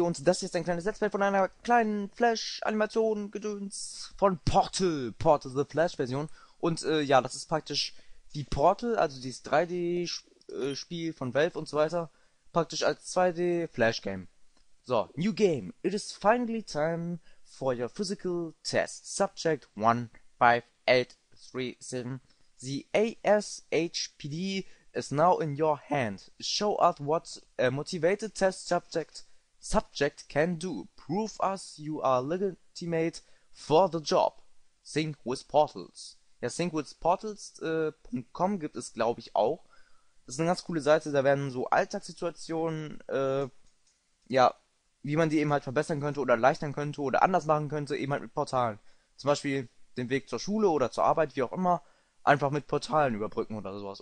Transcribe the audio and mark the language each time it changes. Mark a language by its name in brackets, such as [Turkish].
[German] und das ist ein kleines Let's Play von einer kleinen Flash-Animation Gedöns von Portal. Portal the Flash-Version. Und ja, das ist praktisch die Portal, also dieses 3D-Spiel von Valve und so weiter, praktisch als 2D-Flash-Game. [English] So, New Game. It is finally time for your physical test. Subject 15837. The ASHPD is now in your hand. Show us what a motivated test subject can do. Prove us you are legitimate for the job. Sync with Portals. [German] Ja, syncwithportals.com gibt es, glaube ich, auch. Das ist eine ganz coole Seite, da werden so Alltagssituationen, ja, wie man die eben halt verbessern könnte oder erleichtern könnte oder anders machen könnte, eben halt mit Portalen. Zum Beispiel den Weg zur Schule oder zur Arbeit, wie auch immer, einfach mit Portalen überbrücken oder sowas.